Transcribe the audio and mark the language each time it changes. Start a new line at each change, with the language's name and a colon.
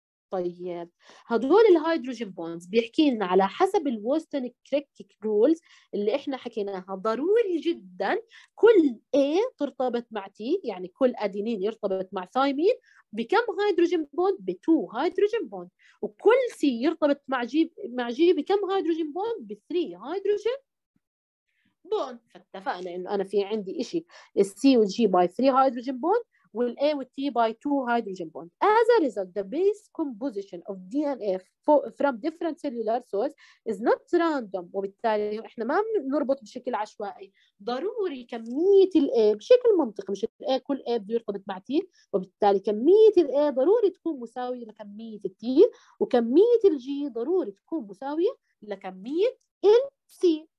Arabic: طيب هذول الهيدروجين بونز بيحكي لنا على حسب الوستن كريكيك رولز اللي احنا حكيناها، ضروري جدا كل A ترتبط مع T، يعني كل ادينين يرتبط مع ثايمين بكم هيدروجين بوند؟ بتو هيدروجين بوند. وكل سي يرتبط مع جي بكم هيدروجين بوند؟ بثري هيدروجين بوند. فاتفقنا انه انا في عندي شيء السي والجي باي 3 هيدروجين بوند، والاي والتي باي 2 هيدروجين بوند.
English: As a result the base composition of DNA from different cellular sources is not random.
Arabic: وبالتالي احنا ما بنربط بشكل عشوائي، ضروري كميه الاي بشكل منطقي، مش الاي كل اي بده يرتبط مع تي، وبالتالي كميه الاي ضروري تكون مساويه لكميه التي، وكميه الجي ضروري تكون مساويه لكميه السي.